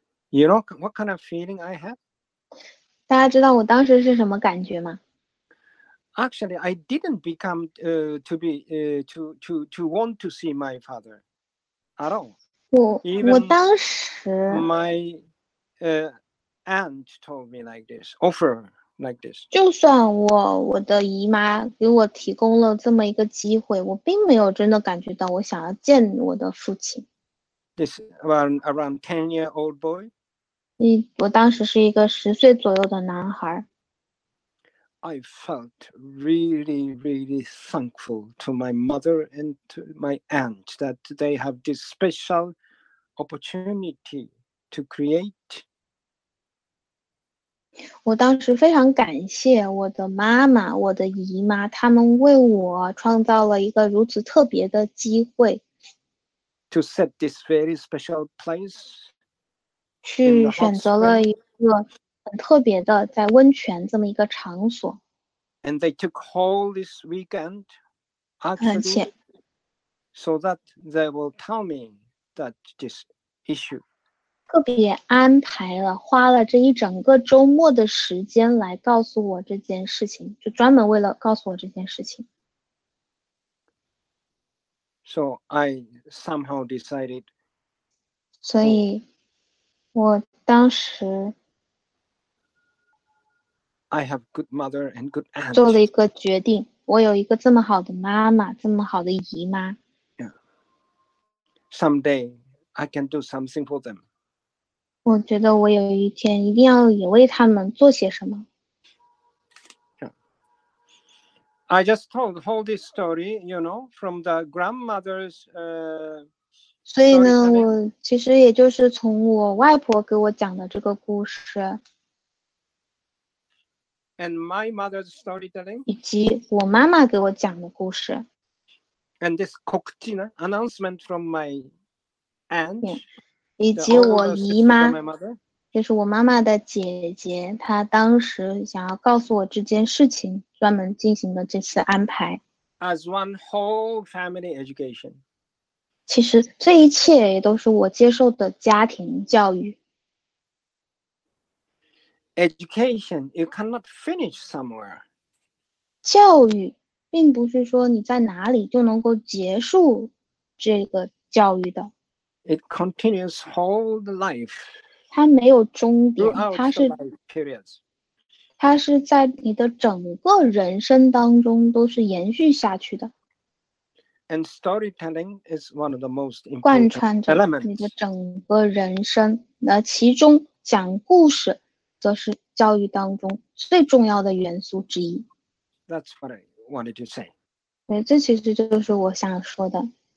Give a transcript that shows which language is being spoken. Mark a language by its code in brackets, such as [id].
[en] You know what kind of feeling I had? [zh] 大家知道我当时是什么感觉吗？ [en] Actually, I didn't become to want to see my father at all. [zh] 我当时 [en] my aunt told me like this, offer like this. [zh] 就算我的姨妈给我提供了这么一个机会，我并没有真的感觉到我想要见我的父亲。 [en] This around 10-year-old boy. [zh] 我当时是一个十岁左右的男孩。 [en] I felt really, really thankful to my mother and to my aunt that they have this special opportunity to create. [zh] 我当时非常感谢我的妈妈、我的姨妈，他们为我创造了一个如此特别的机会。 [en] To set this very special place. [zh] 去选择了一个很特别的在温泉这么一个场所。 [en] And they took all this weekend, actually, so that they will tell me that this issue. [zh] 特别安排了，花了这一整个周末的时间来告诉我这件事情，就专门为了告诉我这件事情。 [en] So I somehow decided. [zh] 所以我当时 [en] I have good mother and good aunt. [zh] 做了一个决定，我有一个这么好的妈妈，这么好的姨妈。 [en] Yeah. Someday I can do something for them. [zh] 我觉得我有一天一定要也为他们做些什么。 [en] Yeah. I just told the whole this story, you know, from the grandmother's [zh] 所以呢，我其实也就是从我外婆给我讲的这个故事 [en] ，and my mother's storytelling， [zh] 以及我妈妈给我讲的故事 [en] ，and this cocktail announcement from my aunt， [zh] 以及我姨妈，就是我妈妈的姐姐，她当时想要告诉我这件事情，专门进行的这次安排 [en] ，as one whole family education。 [zh] 其实这一切也都是我接受的家庭教育。 [en] Education, you cannot finish somewhere. [zh] 教育并不是说你在哪里就能够结束这个教育的。 [en] It continues whole the life. [zh] 它没有终点，它是 [en] periods. [zh] 它是在你的整个人生当中都是延续下去的。 [en] And storytelling is one of the most important elements. [zh] 贯穿你的整个人生，那其中讲故事则是教育当中最重要的元素之一。 [en] That's what I wanted to say. [zh] 对，这其实就是我想说的。